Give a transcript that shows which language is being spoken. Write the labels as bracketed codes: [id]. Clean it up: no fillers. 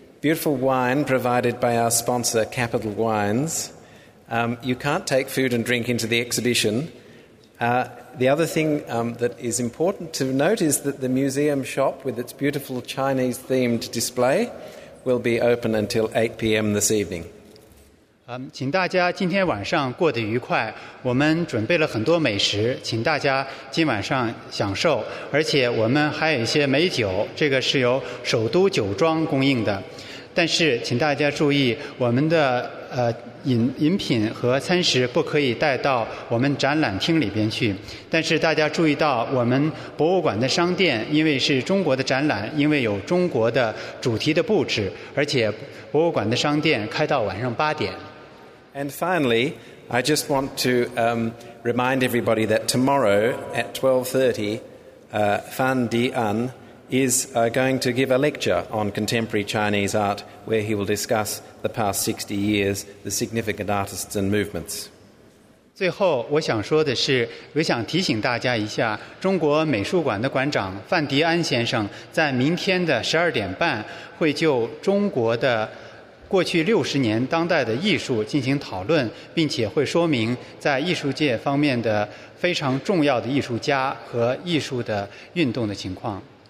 [en] Beautiful wine provided by our sponsor, Capital Wines. You can't take food and drink into the exhibition. The other thing that is important to note is that the museum shop with its beautiful Chinese-themed display will be open until 8 p.m. this evening. [zh] 请大家今天晚上过得愉快。我们准备了很多美食，请大家今晚上享受。而且我们还有一些美酒，这个是由首都酒庄供应的。但是请大家注意我们的饮品和餐食不可以带到我们展览厅里边去。但是大家注意到我们博物馆的商店，因为是中国的展览，因为有中国的主题的布置，而且博物馆的商店开到晚上八点。 [en] And finally, I just want to remind everybody that tomorrow at 12:30, Fan Dian is going to give a lecture on contemporary Chinese art where he will discuss the past 60 years, the significant artists and movements. [zh] 最后我想说的是，我想提醒大家一下，中国美术馆的馆长范迪安先生在明天的12点半会就中国的过去60年当代的艺术进行讨论，并且会说明在艺术界方面的非常重要的艺术家和艺术的运动的情况。